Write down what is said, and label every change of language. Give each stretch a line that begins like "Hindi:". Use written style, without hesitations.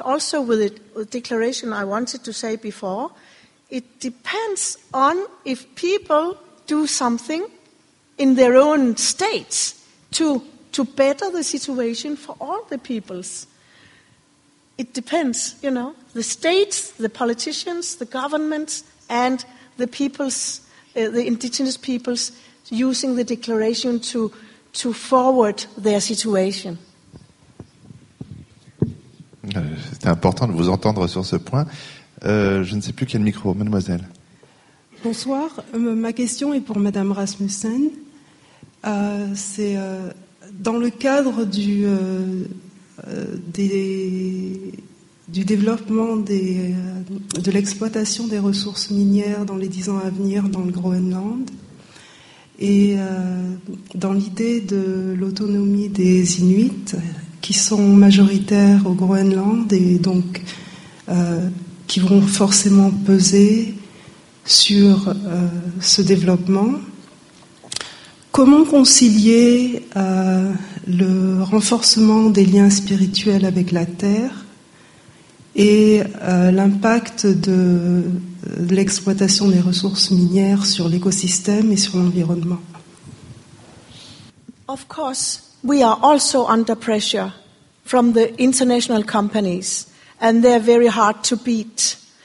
English: Also with the declaration I wanted to say before, it depends on if people do something in their own states to better the situation for all the peoples. It depends, you know, the states, the politicians, the governments, and the peoples, the indigenous peoples, using the declaration to forward their situation.
French: C'était important de vous entendre sur ce point. Je ne sais plus quel micro, mademoiselle. Bonsoir, ma question est pour Madame Rasmussen. Dans le cadre du développement de l'exploitation des ressources minières dans les 10 ans à venir dans le Groenland et dans l'idée de l'autonomie des Inuits qui sont majoritaires au Groenland et donc qui vont forcément peser sur ce développement. Comment concilier le renforcement des liens spirituels avec la terre et l'impact de l'exploitation des ressources minières sur l'écosystème et sur l'environnement?
English: Of course, we are also under pressure from the international companies, and they're very hard to beat.